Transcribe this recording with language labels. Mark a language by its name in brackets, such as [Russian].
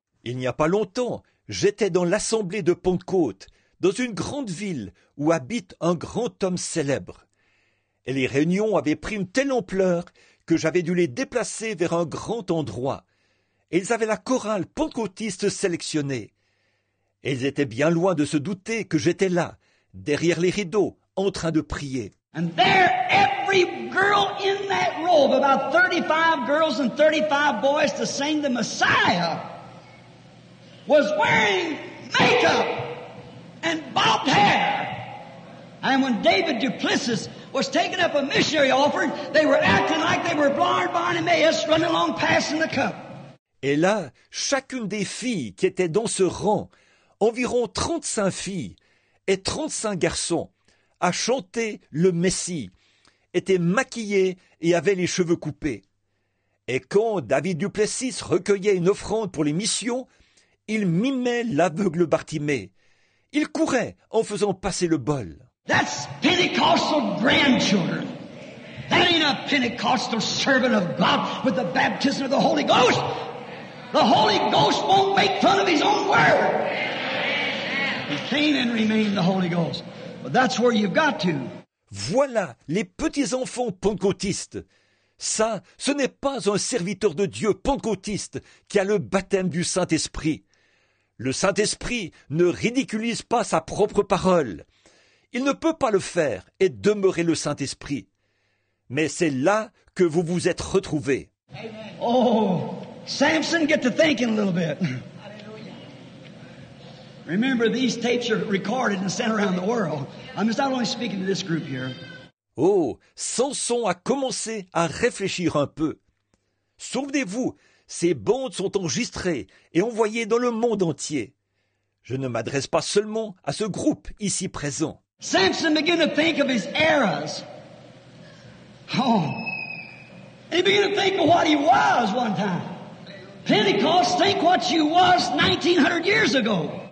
[French] Il n'y a pas longtemps, j'étais dans l'assemblée de Pentecôte, dans une grande ville où habite un grand homme célèbre. Et les réunions avaient pris une telle ampleur que j'avais dû les déplacer vers un grand endroit. Et ils avaient la chorale pentecôtiste sélectionnée. Et ils étaient bien loin de se douter que j'étais là, derrière les rideaux, en train de prier. [English] And there, every girl in that robe, about 35 girls and 35 boys to sing the Messiah, was wearing makeup and bobbed hair. And when David Duplessis was taking up a missionary offering, they were acting like they were blind Bartimaeus running along passing the cup. [French] Et là, chacune des filles qui étaient dans ce rang, environ 35 filles et 35 garçons, a chanté le Messie, était maquillée et avait les cheveux coupés. Et quand David Duplessis recueillait une offrande pour les missions, il mimait l'aveugle Bartimée. Il courait en faisant passer le bol. [English] That's Pentecostal grandchildren. That ain't a Pentecostal servant of God with the baptism of the Holy Ghost. The Holy Ghost won't make fun of his own word. He came and remained the Holy Ghost. But that's where you've got to. [French] Voilà les petits-enfants pentecôtistes. Ça, ce n'est pas un serviteur de Dieu pentecôtiste qui a le baptême du Saint-Esprit. Le Saint-Esprit ne ridiculise pas sa propre parole. Il ne peut pas le faire et demeurer le Saint-Esprit. Mais c'est là que vous vous êtes retrouvés. [English] Oh, Samson, get to thinking a little bit. Remember, these tapes are recorded and sent around the world. I'm just not only speaking to this group here. [French] Oh, Samson a commencé à réfléchir un peu. Souvenez-vous, ces bandes sont enregistrées et envoyées dans le monde entier. Je ne m'adresse pas seulement à ce groupe ici présent. [English] Samson began to think of his eras. Oh, he began to think of what he was one time. Pentecost, think what you was 1900 years ago.